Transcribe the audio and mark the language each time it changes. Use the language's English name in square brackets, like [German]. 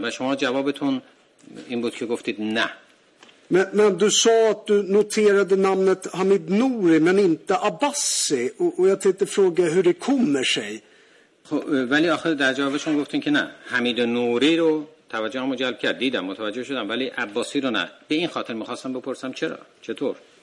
[Persian] و شما جوابتون این بود که گفتید نه. [Swedish] Men du sa att du noterade namnet Hamid Nouri men inte Abbasi och jag tänkte fråga hur det kommer sig. [Persian] ولی آخر در جوابشون گفتین که نه، حمید نوری رو توجه هم جلب کرد، دیدم، متوجه شدم، ولی عباسی رو نه. به این خاطر میخواستم بپرسم چرا، چطور؟